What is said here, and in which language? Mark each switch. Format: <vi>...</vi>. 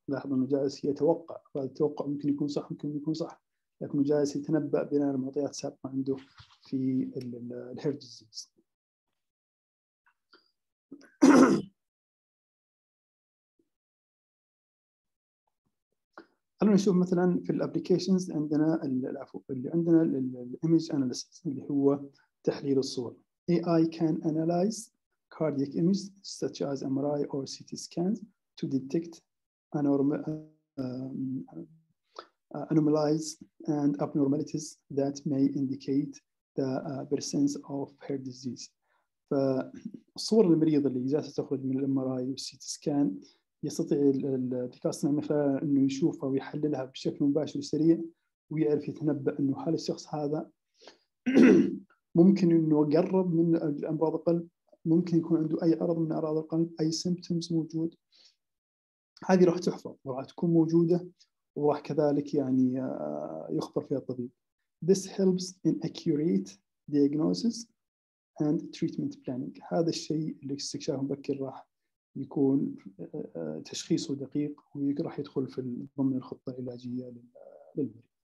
<ar>لاحظ أنه جالس يتوقع، هذا التوقع ممكن يكون صح ممكن يكون صح، لكن جالس يتنبأ بناء المعطيات السابقة عنده في الـ heart disease. خلونا نشوف مثلا في الـ applications عندنا اللي عندنا الـ image analysis اللي هو تحليل الصور.</ar> <en>AI can analyze cardiac images such as MRI or CT scans to detect anomalies and abnormalities that may indicate the presence of heart disease. ف</en> <ar>فالصور المريض اللي جالسه تخرج من الام ار اي والسي تي سكان يستطيع الذكاء الاصطناعي انه يشوفها ويحللها بشكل مباشر وسريع، ويعرف يتنبأ انه هل الشخص هذا ممكن انه يقرب من امراض القلب، ممكن يكون عنده اي عرض من اعراض القلب، اي سيمبتومز موجود. هذه راح تحفظ وراح تكون موجوده، وراح كذلك يعني يخبر فيها الطبيب.</ar> <en>This helps in accurate diagnosis and treatment planning.</en> <ar>هذا الشيء اللي استكشاف مبكر راح يكون تشخيصه دقيق، وراح يدخل في ضمن الخطه العلاجيه للمريض.</ar>